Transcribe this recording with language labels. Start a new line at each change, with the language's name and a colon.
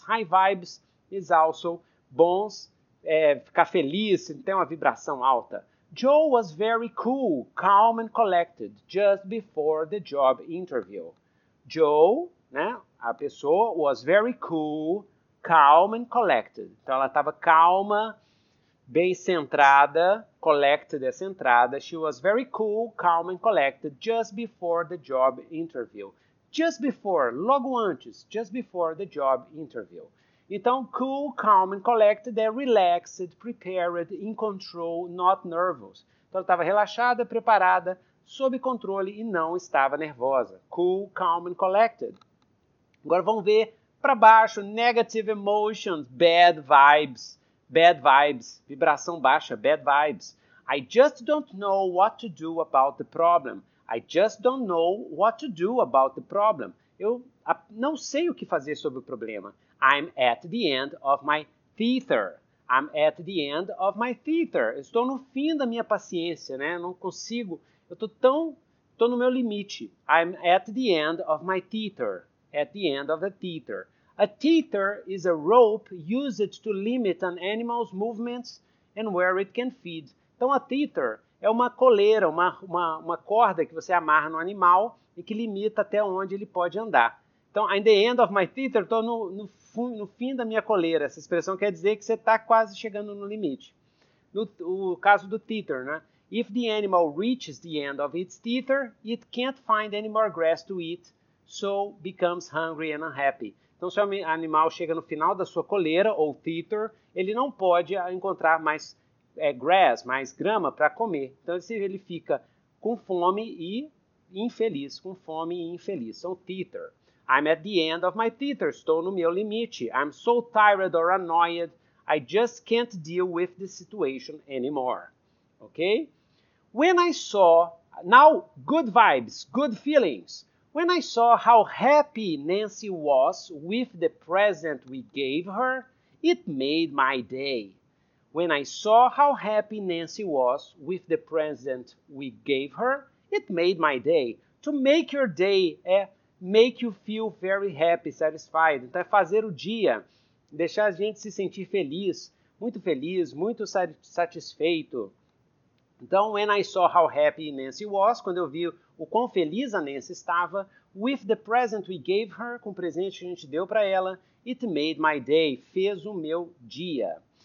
English: High vibes is also bons.
Portuguese: É, ficar feliz, ter uma vibração alta.
English: Joe was very cool, calm and collected, just before the job interview. Joe,
Portuguese: né, a pessoa,
English: was very cool, calm and collected.
Portuguese: Então, ela estava calma, bem centrada, collected é centrada.
English: She was very cool, calm and collected, just before the job interview. Just before,
Portuguese: logo antes,
English: just before the job interview.
Portuguese: Então,
English: cool, calm and collected é relaxed, prepared, in control, not nervous.
Portuguese: Então, ela estava relaxada, preparada, sob controle e não estava nervosa.
English: Cool, calm and collected.
Portuguese: Agora vamos ver para baixo,
English: negative emotions, bad vibes,
Portuguese: vibração baixa,
English: bad vibes. I just don't know what to do about the problem. I just don't know what to do about the problem.
Portuguese: Eu não sei o que fazer sobre o problema.
English: I'm at the end of my tether. I'm at the end of my tether.
Portuguese: Estou no fim da minha paciência, né? Não consigo. Estou no meu limite.
English: I'm at the end of my tether. At the end of the tether. A tether is a rope used to limit an animal's movements and where it can feed.
Portuguese: Então, a tether é uma coleira, uma corda que você amarra no animal e que limita até onde ele pode andar. Então,
English: at the end of my tether,
Portuguese: estou no fim da minha coleira. Essa expressão quer dizer que você está quase chegando no limite. No caso do tether, né?
English: If the animal reaches the end of its tether, it can't find any more grass to eat, so becomes hungry and unhappy.
Portuguese: Então, se o animal chega no final da sua coleira, ou tether, ele não pode encontrar mais grass, mais grama para comer. Então, ele fica com fome e infeliz, com fome e infeliz.
English: So, tether. I'm at the end of my tether.
Portuguese: Estou no meu limite.
English: I'm so tired or annoyed. I just can't deal with the situation anymore. Ok? When I saw... Now, good vibes, good feelings. When I saw how happy Nancy was with the present we gave her, it made my day. When I saw how happy Nancy was with the present we gave her, it made my day. To make your day, é make you feel very happy, satisfied.
Portuguese: Então, é fazer o dia, deixar a gente se sentir feliz, muito satisfeito. Então,
English: when I saw how happy Nancy was,
Portuguese: quando eu vi o quão feliz a Nancy estava,
English: with the present we gave her,
Portuguese: com o presente que a gente deu para ela,
English: it made my day,
Portuguese: fez o meu dia.